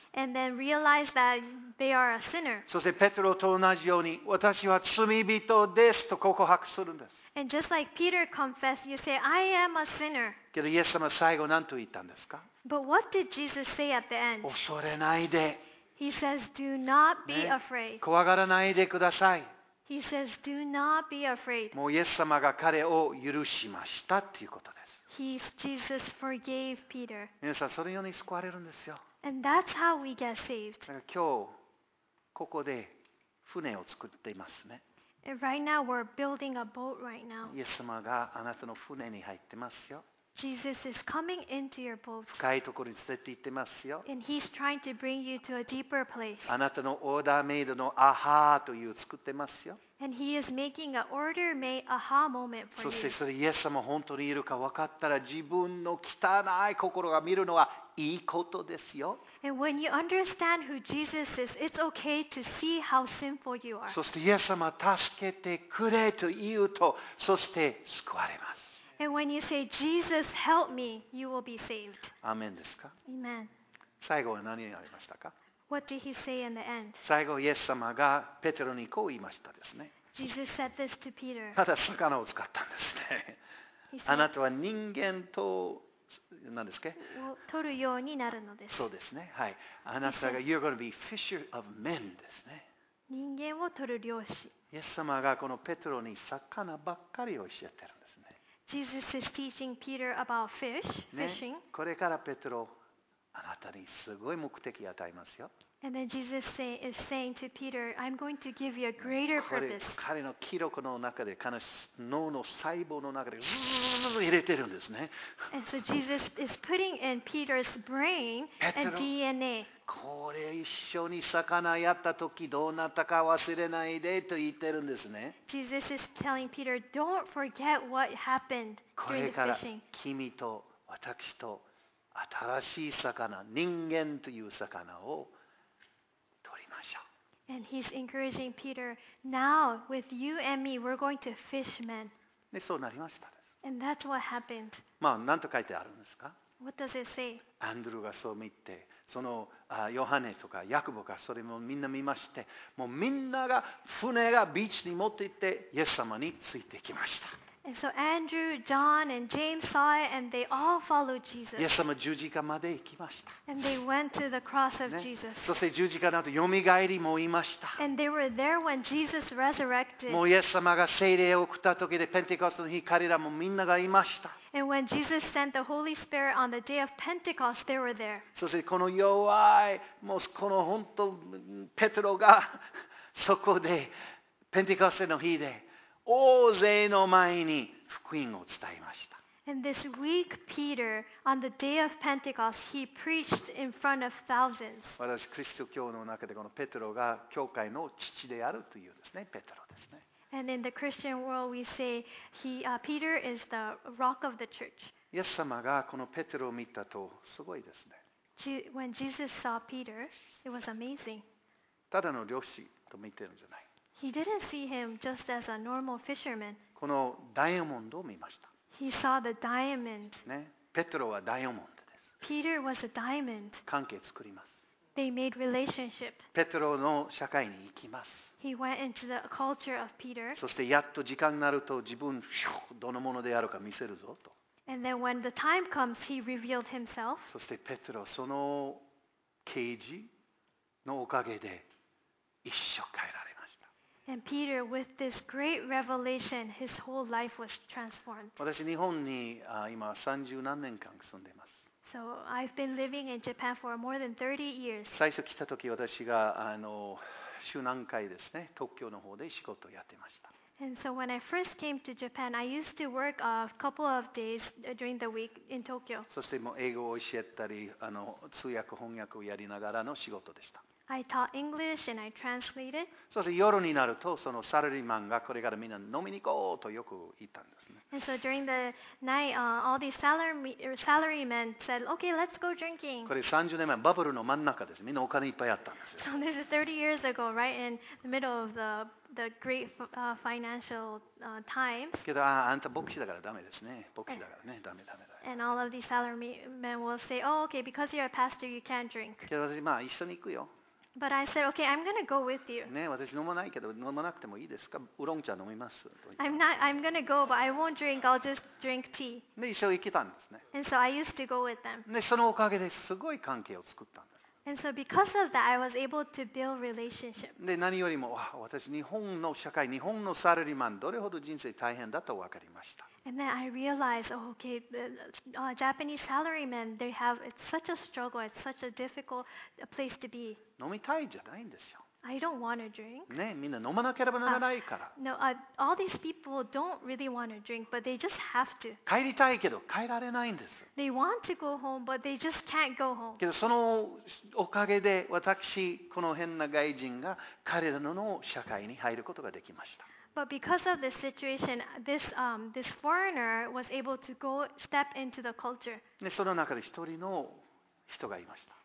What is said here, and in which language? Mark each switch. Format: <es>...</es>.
<en>And then realize that they are a sinner.</en> <ja>そしてペテロと同じように私は罪人ですと告白するんです。</ja> <en>And just like Peter confessed, you say, I am a sinner.</en> <ja>けどイエス様は最後何と言ったんですか？</ja> <en>But what did Jesus say at the end?</en> <ja>恐れないで。</ja> <en>He says, do not be afraid.</en> <ja>怖がらないでください。</ja> <en>He says, do not be afraid.</en> <ja>もうイエス様が彼を許しましたということです。</ja> <en>Jesus forgave Peter.</en> <ja>皆さんそのように救われるんですよ。</ja> <en>And that's how we get saved.</en> <ja>今日ここで船を作っていますね。</ja> <en>And right now we're building a boat right now.</en> <ja>イエス様があなたの船に入ってますよ。</ja> <en>Jesus is coming into your boat.</en> <ja>深いところに連れて行ってますよ。</ja> <en>And he's trying to bring you to a deeper place.</en> <ja>あなたのオーダーメイドのアハーという作ってますよ。</ja> <en>And he is making an order made aha moment for you.</en> <ja>そしてそれイエス様本当にいるか分かったら自分の汚い心が見るのはいいことですよ。</ja> <en>And when you understand who Jesus is, it's okay to see how sinful you are.</en> <ja>そしてイエス様助けてくれと言うとそして救われます。</ja> <en>And when you say, Jesus, help me, you will be saved.</en> <ja>アメンですか？</ja> <en>Amen.</en> <ja>最後は何がありましたか？</ja> <en>What did he say in the end?</en> <ja>最後、イエス様がペテロにこう言いましたですね。</ja> <en>Jesus said this to Peter.</en> <ja>ただ魚を使ったんですね。あなたは人間と何ですか？取るようになるのです。そうですね。はい。あなたが、</ja> <en>You're going to be fisher of men</en> <ja>ですね。人間を取る漁師。イエス様がこのペテロに魚ばっかり教えてる。</ja> <en>Jesus is teaching Peter about fish, fishing.</en> <ja>ね、これからペテロあなたにすごい目的を与えますよ。</ja> <en>And then Jesus is saying to Peter, I'm going to give you a greater purpose.</en> <ja>これ彼の記録の中で彼の脳の細胞の中でズズズズズ入れてるんですね。</ja> <en>And so Jesus is putting in Peter's brain and DNA.</en> <ja>これ一緒に魚やった時どうなったか忘れないでと言ってるんですね。</ja> <en>Jesus is telling Peter, don't forget what happened during the fishing.</en> <ja>これから君と私と新しい魚、人間という魚を</ja> <en>And he's encouraging Peter, now with you and me, we're going to fish men.</en> <ja>で、そうなりましたです。</ja> <en>And that's what happened.</en> <ja>まあ、なんと書いてあるんですか？</ja> <en>What does it say?</en> <ja>アンドルがそう見て、そのヨハネとかヤクボがそれもみんな見まして、もうみんなが船がビーチに持って行って、イエス様についてきました。</ja> <en>And so Andrew, John, and James saw it, and they all followed Jesus.</en> <ja>イエス様十字架まで行きました。</ja> <en>And they went to the cross of Jesus.、</en> <ja>ね、そして十字架の後、よみがえりもいました。</ja> <en>And they were there when Jesus resurrected.</en> <ja>もうイエス様が聖霊を送った時で、ペンテコストの日、彼らもみんながいました。</ja> <en>And when Jesus sent the Holy Spirit on the day of Pentecost, they were there.</en> <ja>そしてこの弱い、もうこの本当、ペトロがそこで、ペンテコストの日で、大勢の前に福音を伝えました。</ja> <en>And this weak Peter, on the day of Pentecost, he preached in front of thousands.</en> <ja>私、キリスト教の中でこのペトロが教会の父であるというですね、ペトロですね。</ja> <en>And in the Christian world, we say he, Peter is the rock of the church.</en> <ja>イエス様がこのペテロを見たとすごいですね。</ja> <en>When Jesus saw Peter, it was amazing.</en> <ja>ただの漁師と見てるんじゃない。</ja> <en>He didn't see him just as a normal fisherman.</en> <ja>このダイヤモンドを見ました。</ja> <en>He saw the diamond.</en> <ja>ね、ペテロはダイヤモンドです。</ja> <en>Peter was a diamond.</en> <ja>関係作ります。</ja> <en>They made relationship.</en> <ja>ペテロの社会に行きます。</ja> <en>He went into the culture of Peter.</en> <ja>そしてやっと時間になると自分どのものであるか見せるぞと。</ja> <en>And then when the time comes, he revealed himself.</en> <ja>そしてペテロその啓示のおかげで一生変えられました。</ja> <en>And Peter, with this great revelation, his whole life was transformed.</en> <ja>私日本に今三十何年間住んでいます。</ja> <en>So I've been living in Japan for more than 30 years.</en> <ja>最初来た時私が週何回ですね、東京の方で仕事をやってました。</ja> <en>And so when I first came to Japan, I used to work a couple of days during the week in Tokyo.</en> <ja>そしてもう英語を教えたり、通訳翻訳をやりながらの仕事でした。</ja> <en>I taught English and I translated.</en> <ja>そして夜になるとそのサラリーマンがこれからみんな飲みに行こうとよく言ったんですね。</ja> <en>And so during the night, all these salarymen said, "Okay, let's go drinking."</en> <ja>これ30年前バブルの真ん中です。みんなお金いっぱいあったんですよ。</ja> <en>So this is 30 years ago, right in the middle of the great financial times.</en> <ja>けどあんた牧師だからダメですね。牧師だからね、ダメダメ。</ja> <en>And all of these salarymen will say, "Oh, okay, because you're a pastor, you can't drink."</en> <ja>けど私まあ一緒に行くよ。</ja> <en>But I said, okay, I'm gonna go with you.</en> <ja>ね、私飲まないけど飲まなくてもいいですか？ウロン茶飲みます。</ja> <en>I'm gonna go, but I won't drink. I'll just drink tea.</en> <ja>で、一緒に行けたんですね。</ja> <en>And so I used to go with them.</en> <ja>で、そのおかげですごい関係を作ったんです。</ja> <en>And so because of that, I was able to build relationship.</en> <ja>で、何よりも、わ、私日本の社会、日本のサラリーマンどれほど人生大変だと分かりました。</ja> <en>And then I realized, oh, okay, the Japanese salarymen, they have, it's such a struggle, it's such a difficult place to be.</en> <ja>飲みたいじゃないんですよ。</ja> <en>I don't want to drink.</en> <ja>ね、みんな飲まなければならないから。</ja> <en>No, all these people don't really want to drink, but they just have to.</en> <ja>帰りたいけど帰られないんです。</ja> <en>They want to go home, but they just can't go home.</en> <ja>けどそのおかげで私、この変な外人が彼らの社会に入ることができました。</ja> <en>But because of this situation, this foreigner was able to go step into the culture.</en> <ja>で、その中で一人の人がいました。</ja>